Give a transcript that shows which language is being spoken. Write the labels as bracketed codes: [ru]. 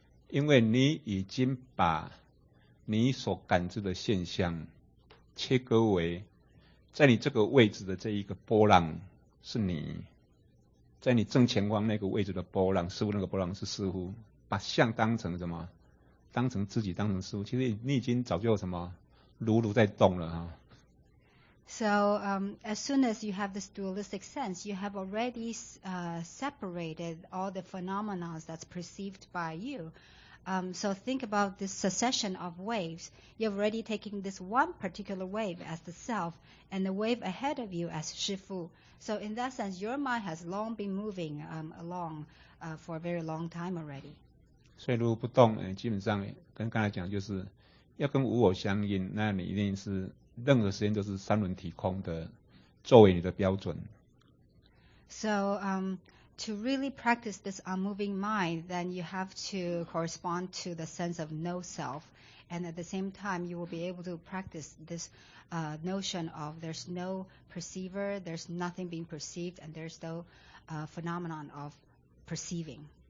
[zh] 因为你已经把你所感知的现象切割为在你这个位置的这一个波浪是你，在你正前方那个位置的波浪，师父那个波浪是师父，把相当成什么？当成自己，当成师父。其实你已经早就什么如如在动了哈。 [en] So as soon as you have this dualistic sense, you have already separated all the phenomena that's perceived by you. So think about this succession of waves. You're already taking this one particular wave as the self and the wave ahead of you as Shifu. So in that sense, your mind has long been moving along for a very long time already. [zh] 所以如果不动，基本上跟刚才讲，就是要跟无我相应，那你一定是。任何时间都是三轮体空的，作为你的标准。 [en] So, to really practice this unmoving mind, then you have to correspond to the sense of no self, and at the same time, you will be able to practice this notion of there's no perceiver, there's nothing being perceived, and there's no phenomenon of perceiving.